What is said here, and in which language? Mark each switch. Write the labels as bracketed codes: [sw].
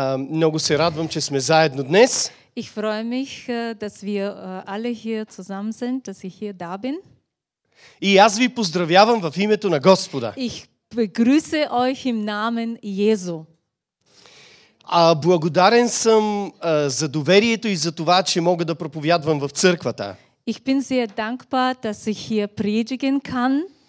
[bg] Много се радвам, че сме заедно днес. [de] Ich freue mich, dass wir alle hier zusammen sind, dass ich hier da bin. [bg] И аз ви поздравявам в името на Господа. [de] Ich begrüße euch im Namen Jesu. [bg] Благодарен съм за доверието и за това, че мога да проповядвам в църквата. [de] Ich bin sehr dankbar, dass ich hier predigen kann.